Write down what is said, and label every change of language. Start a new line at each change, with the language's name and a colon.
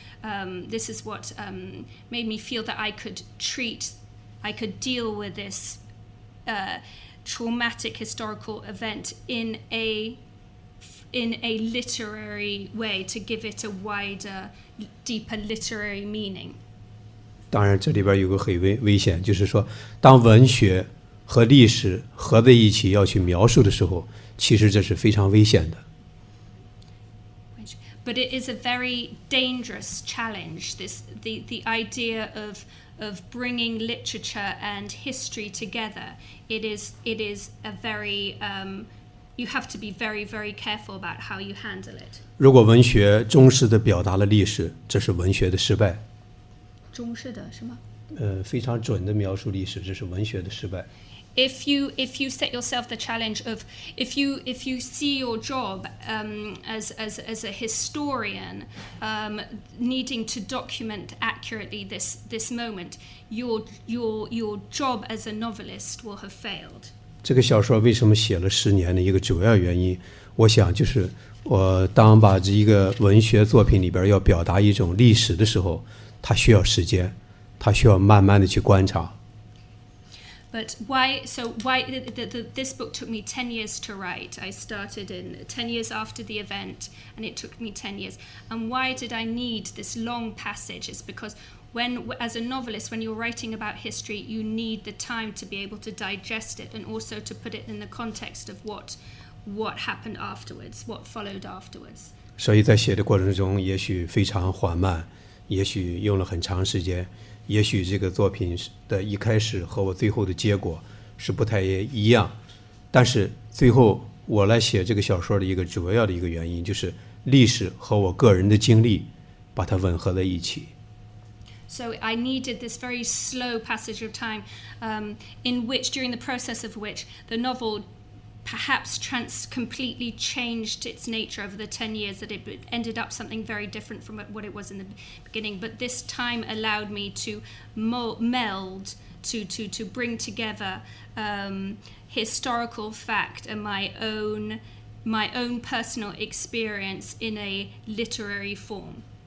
English: This is what made me feel that I could deal with this traumatic historical event in a literary way to give it a wider, deeper literary meaning.
Chinese: 当然，这里边有个很危险，就是说，当文学和历史合在一起要去描述的时候，其实这是非常危险的。
English: But it is a very dangerous challenge. The idea of bringing literature and history together. It is a very you have to be very very careful about how you handle it.
Chinese: 如果文学忠实地表达了历史，这是文学的失败。忠实的是吗？非常准地描述历史，这是文学的失败。
English: If you set yourself the challenge of if you see your job as a historian needing to document accurately this moment, your job as a novelist will have failed.
Chinese: 这个小说为什么写了十年的一个主要原因，我想就是我当把这一个文学作品里边要表达一种历史的时候，它需要时间，它需要慢慢的去观察。
English: But why this book took me 10 years to write. I started in 10 years after the event, and it took me 10 years. And why did I need this long passage? It's because when, as a novelist, when you're writing about history, you need the time to be able to digest it and also to put it in the context of what happened afterwards, what followed afterwards.
Chinese: 所以在写的过程中也许非常缓慢，也许用了很长时间，也许这个作品的一开始和我最后的结果是不太一样，但是最后我来写这个小说的一个主要的一个原因，就是历史和我个人的经历把它吻合在一起。
English: So I needed this very slow passage of time, in which, during the process of which, the novel perhaps completely changed its nature over the 10 years, that it ended up something very different from what it was in the beginning. But this time allowed me to meld, to bring together historical fact and my own personal experience in a literary form.